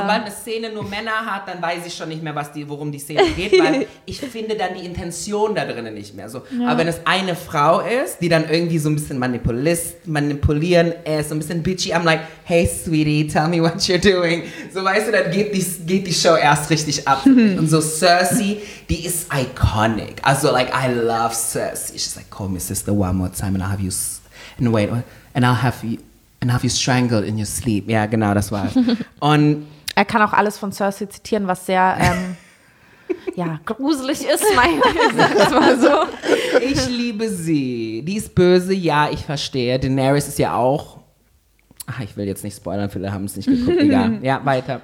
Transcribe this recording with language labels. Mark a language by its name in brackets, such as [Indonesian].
[German] Sobald eine Szene nur Männer hat, dann weiß ich schon nicht mehr, worum die Szene geht, weil ich finde dann die Intention da drinnen nicht mehr. Aber wenn es eine Frau ist, die dann irgendwie so ein bisschen manipulieren, so ein bisschen bitchy, [English] I'm like, hey sweetie, tell me what you're doing. [German] So weißt du, dann geht die Show erst richtig ab. Und so Cersei, die ist iconic. [English] Also like, I love Cersei. She's like, call me sister one more time and I'll have you strangled in your sleep. [German] Ja, genau, das war. Und er kann auch alles von Cersei zitieren, was sehr ja, gruselig ist, mein Gott, das war so. Ich liebe sie. Die ist böse, ja, ich verstehe. Daenerys ist ja auch. Ach, ich will jetzt nicht spoilern, viele haben es nicht geguckt. Egal. Ja, weiter.